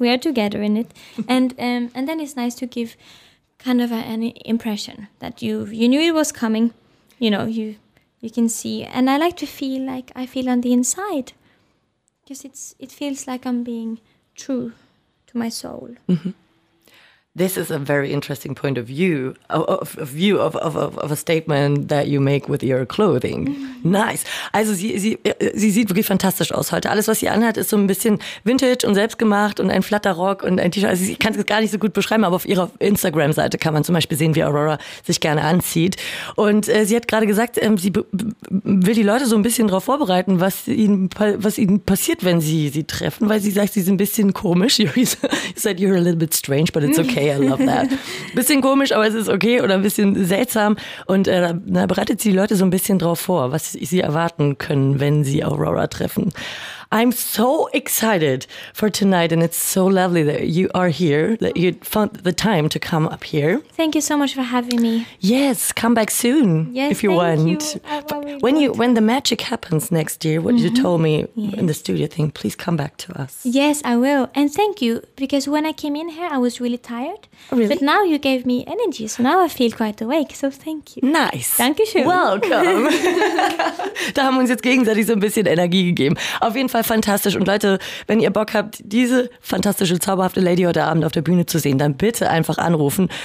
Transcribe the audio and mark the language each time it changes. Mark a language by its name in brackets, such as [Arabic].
[English] We are together in it, and then it's nice to give kind of an impression that you knew it was coming, you know, you can see, and I like to feel like I feel on the inside, because it feels like I'm being true to my soul. Mm-hmm. This is a very interesting point of view, of a statement that you make with your clothing. [German] Mm-hmm. Nice. Also sie sieht wirklich fantastisch aus heute. Alles, was sie anhat, ist so ein bisschen vintage und selbstgemacht und ein Flatterrock und ein T-Shirt. Also ich kann es gar nicht so gut beschreiben, aber auf ihrer Instagram-Seite kann man zum Beispiel sehen, wie Aurora sich gerne anzieht. Und sie hat gerade gesagt, sie will die Leute so ein bisschen darauf vorbereiten, was ihnen passiert, wenn sie treffen, weil sie sagt, sie ist ein bisschen komisch. [English] You said you're a little bit strange, but it's okay. Okay, I love that. [German] Bisschen komisch, aber es ist okay oder ein bisschen seltsam. Und da bereitet sie die Leute so ein bisschen drauf vor, was sie erwarten können, wenn sie Aurora treffen. [English] I'm so excited for tonight and it's so lovely that you are here, that you found the time to come up here. Thank you so much for having me. Yes, come back soon, yes, if you want. You. When the magic happens next year, what mm-hmm. you told me yes. in the studio thing, please come back to us. Yes, I will. And thank you, because when I came in here, I was really tired. Oh, really? But now you gave me energy, so now I feel quite awake, so thank you. Nice. [German] Dankeschön. [English] Welcome. [German] Da haben wir uns jetzt gegenseitig so ein bisschen Energie gegeben. Auf jeden Fall fantastisch. Und Leute, wenn ihr Bock habt, diese fantastische, zauberhafte Lady heute Abend auf der Bühne zu sehen, dann bitte einfach anrufen.